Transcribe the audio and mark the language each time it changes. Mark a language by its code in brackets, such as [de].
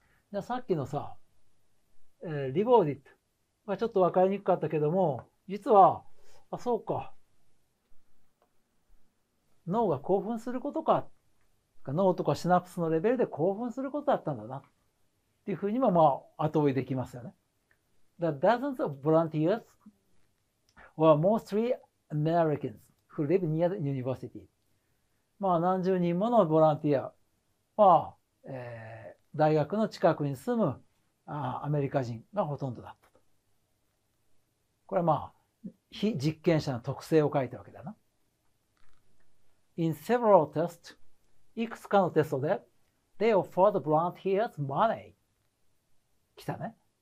[ja] じゃあさっきのさ、リボーディット。まあ、ちょっとわかりにくかったけども、実は、あ、そうか。脳が興奮することか。脳とかシナプスのレベルで興奮することだったんだな。っていうふうにも、まあ、後追いできますよね。 [en] The dozens of volunteers were mostly Americans who live near the university. [ja] まあ、何十人ものボランティアは、大学の近くに住む、アメリカ人がほとんどだった。これはまあ、非実験者の特性を書いたわけだな。 [en] In several tests、 [ja] いくつかのテストで、 [en] They offered volunteers money。 [ja] 来たね。